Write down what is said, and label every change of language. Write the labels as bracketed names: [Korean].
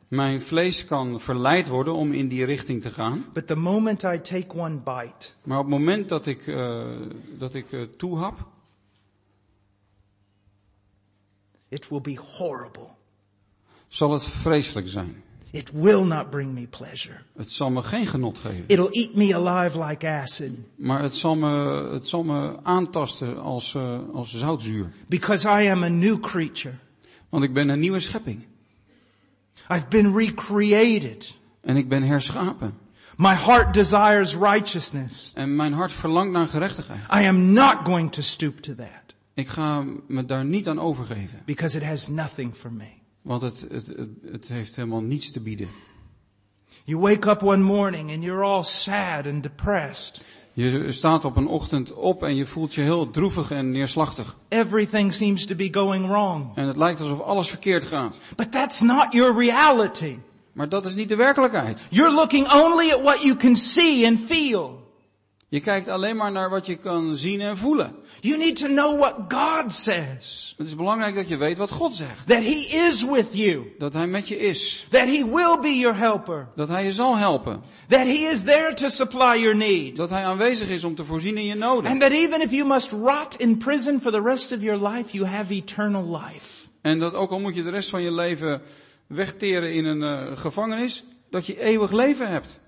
[Dutch] Mijn vlees kan verleid worden om in die richting te gaan. [English] But the moment I take one bite, [Dutch] maar op het moment dat ik toehap, [English] it will be horrible. [Dutch] Zal het vreselijk zijn. [English] It will not bring me pleasure. [Dutch] Het zal me geen genot geven. [English] It'll eat me alive like acid. [Dutch] Maar het zal me aantasten als zoutzuur. [English] Because I am a new creature. [Dutch] Want ik ben een nieuwe schepping. [English] I've been recreated. [Dutch] En ik ben herschapen. [English] My heart desires righteousness. [Dutch] En mijn hart verlangt naar gerechtigheid. [English] I am not going to stoop to that. [Dutch] Ik ga me daar niet aan overgeven. [English] Because it has nothing for me. [Dutch] Want het heeft helemaal niets te bieden. [English] You wake up one morning and you're all sad and depressed. [Dutch] Je staat op een ochtend op en je voelt je heel droevig en neerslachtig. [English] Everything seems to be going wrong. [Dutch] En het lijkt alsof alles verkeerd gaat. [English] But that's not your reality. [Dutch] Maar dat is niet de werkelijkheid. [English] You're looking only at what you can see and feel. [Dutch] Je kijkt alleen maar naar wat je kan zien en voelen. [English] You need to know what God says. [Dutch] Het is belangrijk dat je weet wat God zegt. [English] That he is with you. [Dutch] Dat hij met je is. [English] That he will be your helper. [Dutch] Dat hij je zal helpen. [English] That he is there to supply your need. [Dutch] Dat hij aanwezig is om te voorzien in je noden. [English] And that even if you must rot in prison for the rest of your life, you have eternal life. [Dutch] En dat ook al moet je de rest van je leven wegteren in een gevangenis, dat je eeuwig leven hebt.